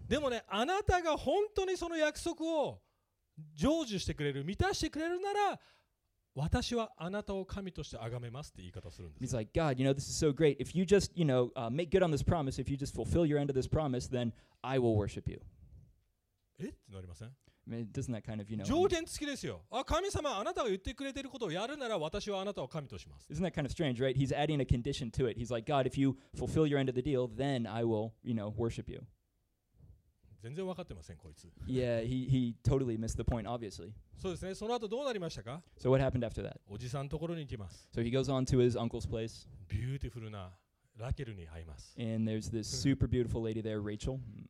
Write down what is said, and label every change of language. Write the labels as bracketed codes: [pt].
[en] He's like, God, you know, this is so great. If you just, you know, make good on this promise, if you just fulfill your end of this promise, then I will worship you. I mean, doesn't that kind of, you know, [ja] 条件付きですよ. あ、神様、あなたが言ってくれてることをやるなら私はあなたを神とします。 [en] Isn't that kind of strange, right? He's adding a condition to it. He's like, God, if you fulfill your end of the deal, then I will, you know, worship you. [ja] 全然分かってません、こいつ. [en] Yeah, he totally missed the point, obviously. [ja] そうですね、その後どうなりましたか? [en] So what happened after that? [ja] おじさんところに行きます. [en] So he goes on to his uncle's place. [ja] ビューティフルなラケルに会います. [en] And there's this super beautiful lady there, Rachel.